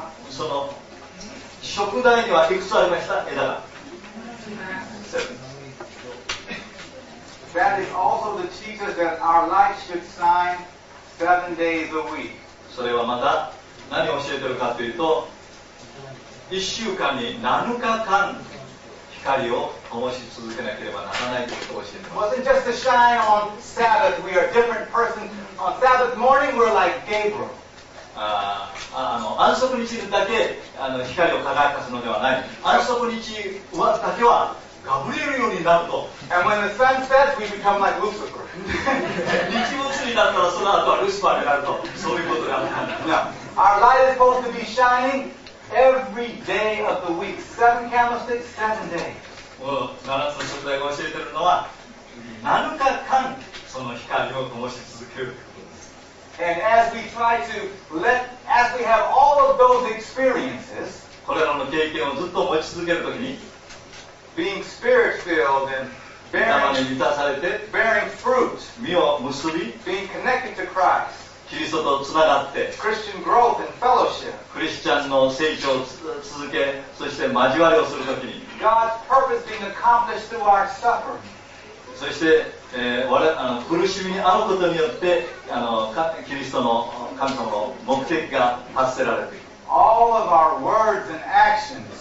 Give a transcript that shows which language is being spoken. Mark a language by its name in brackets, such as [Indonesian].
[Japanese] その食台にはいくつありました？枝が。 [English] That is also the teacher that our light should shine seven days a week. [Japanese] それはまた何を教えているかというと、一週間に7日間光を灯し続けなければならないということを教えています。 [English] Wasn't just to shine on Sabbath. We are different persons. On Sabbath morning, we're like Gabriel. [Japanese] 安息日だけ光を輝かすのではない。安息日だけはガブリエルようになると。 [English] And when the sun sets, we become like Lucifer. [Japanese] 日没になったらその後はルシファーになると、そういうことがある。 [English] Our light is supposed to be shining. Every day of the week, seven candlesticks, seven days. [Japanese] 7つの食材が教えているのは、7日間その光を灯し続けるということです。 [English] And as we try to let, as we have all of those experiences, [Japanese] これらの経験をずっと持ち続けるときに、 [English] being spirit-filled and bearing, [Japanese] 御霊に満たされて、 [English] bearing fruit, [Japanese] 実を結び、 [English] being connected to Christ. [Japanese] キリストとつながって、 [English] Christian growth and fellowship. [Japanese] クリスチャンの成長を続け、そして交わりをするときに、 [English] God's purpose being accomplished through our suffering. [Japanese] そして、苦しみにあうことによって、キリストの神様の目的が達せられていく。 [English] All of our words and actions